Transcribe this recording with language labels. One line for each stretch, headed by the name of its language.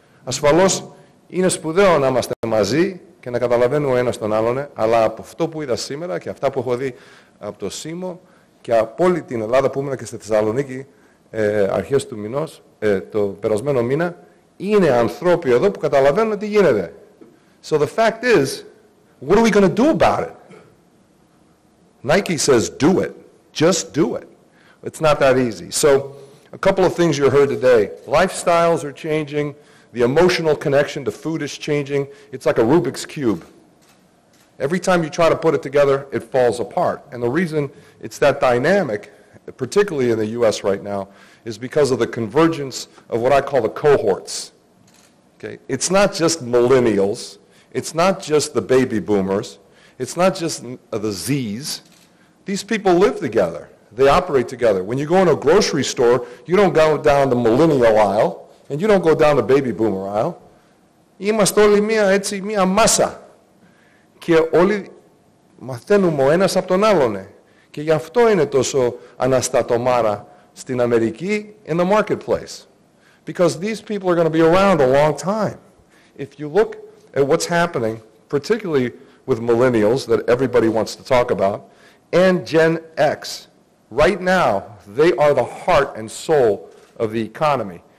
Greek: Ασφαλώς είναι σπουδαίο να είμαστε μαζί και να καταλαβαίνουμε ο ένας τον άλλον, αλλά από αυτό που είδα σήμερα και αυτά που έχω δει από το Σίμο και από όλη την Ελλάδα που ήμουν και στη Θεσσαλονίκη αρχές του μηνός, το περασμένο μήνα, είναι ανθρώποι εδώ που καταλαβαίνουν τι γίνεται.
English: So the fact is, what are we going to do about it? Nike says, do it. Just do it. It's not that easy. So, a couple of things you heard today. Lifestyles are changing. The emotional connection to food is changing. It's like a Rubik's Cube. Every time you try to put it together, it falls apart. And the reason it's that dynamic, particularly in the U.S. right now, is because of the convergence of what I call the cohorts. Okay? It's not just millennials. It's not just the baby boomers. It's not just the Z's. These people live together. They operate together. When you go in a grocery store, you don't go down the millennial aisle, and you don't go down the baby boomer aisle.
Greek: Είμαστε όλοι μία, έτσι, μία μάσα. Και όλοι μαθαίνουμε ο ένας από τον άλλον. Και γι' αυτό είναι τόσο αναστατωμάρα στην Αμερική,
English: in the marketplace. Because these people are going to be around a long time. If you look at what's happening, particularly with millennials that everybody wants to talk about, and Gen X. Right now, they are the heart and soul of the economy.